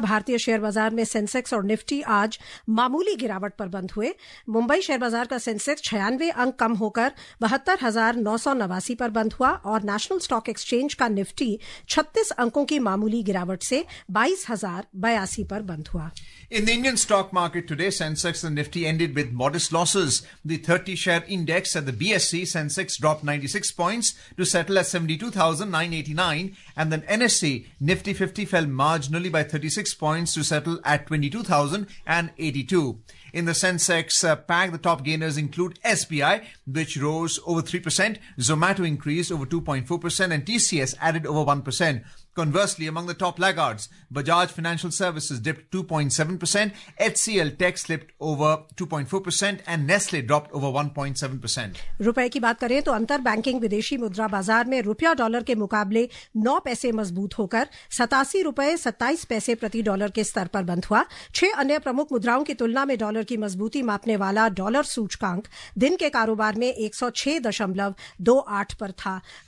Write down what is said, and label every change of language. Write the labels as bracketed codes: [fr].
[hi] भारतीय शेयर बाजार में सेंसेक्स और निफ्टी आज मामूली गिरावट पर बंद हुए। मुंबई शेयर बाजार का सेंसेक्स 96 अंक कम होकर 72,989 पर बंद हुआ और नेशनल स्टॉक एक्सचेंज का निफ्टी 36 अंकों की मामूली गिरावट से 22,082 पर बंद हुआ। [en] In the Indian stock market today, Sensex and Nifty ended with modest losses. The 30-share index at the BSE, Sensex dropped 96 points to settle at 72,989, and then NSE, Nifty 50 fell marginally by 36 points to settle at 22,082. In the Sensex pack, the top gainers include SBI, which rose over 3%, Zomato increased over 2.4%, and TCS added over 1%. Conversely, among the top laggards, Bajaj Financial Services dipped 2.7%, HCL Tech slipped over 2.4%, and Nestle dropped over 1.7%. [hi] रुपए की बात करें तो अंतर banking विदेशी मुद्रा बाजार में रुपया डॉलर के मुकाबले 9 पैसे मजबूत होकर 87.27 रुपए प्रति डॉलर के स्तर पर बंद हुआ। 6 अन्य प्रमुख मुद्राओं की तुलना में डॉलर की मजबूती मापने वाला डॉलर सूचकांक दिन के कारोबार में 106.28 पर था।